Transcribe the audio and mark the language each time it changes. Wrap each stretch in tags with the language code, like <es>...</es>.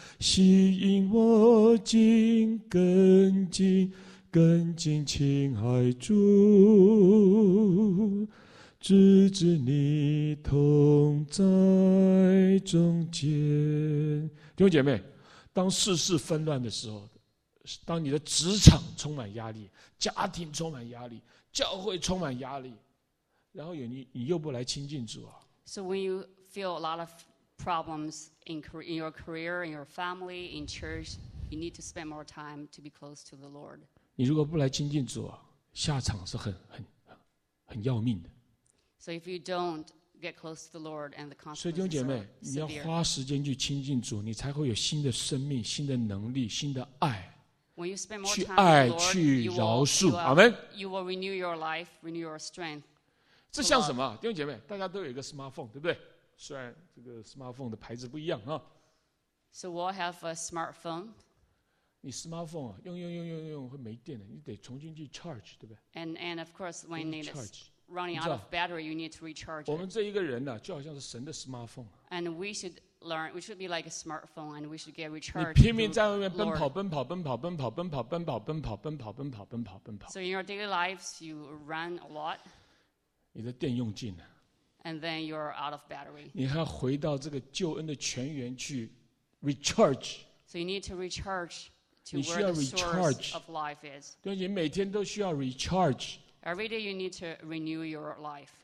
<zh>吸引我进，更尽，更尽情爱主，直至你同在中间。弟兄姐妹，当世事纷乱的时候，当你的职场充满压力，家庭充满压力，教会充满压力，然后你又不来亲近主啊。</zh> <en>So when you feel a lot of problems in your career, in your family, in church, you need to spend more time to be close to the Lord.</en> <zh>你如果不来亲近主啊，下场是很要命的。</zh> <en>So if you don't get close to the Lord and the consequences are severe.</en> <zh>所以弟兄姐妹，你要花时间去亲近主，你才会有新的生命、新的能力、新的爱。</zh> <en>When you spend more time with the Lord,</en> <zh>去爱去饶恕，阿门。</zh> <en>You will renew your life, renew your strength.</en> <zh>这像什么？弟兄姐妹，大家都有一个 smartphone， 对不对？虽然这个 smartphone 的牌子不一样啊。</zh> <en>So we'll have a smartphone.</en> <zh>你 smartphone 啊，用会没电的，你得重新去 charge， 对不对</zh> <en>？And of course, when it is running out of battery, you need to recharge.</en> <zh>我们这一个人呢，就好像是神的 smartphone。</zh> <en>And we should. Learn, we should be like a smartphone, and we should get recharged.</en> <zh>你拼命在外面奔跑，奔跑，奔跑，奔跑，奔跑，奔跑，奔跑，奔跑，奔跑，奔跑，奔跑。</zh> <en>So in your daily lives, you run a lot.</en> <zh>你的电用尽了。</zh> <en>And then you're out of battery.</en> <zh>你还回到这个救恩的泉源去 recharge.</zh> <en>So you need to recharge to where the source of life is.</en> <zh>对，你每天都需要 recharge.</zh> <en>Every day you need to renew your life.</en>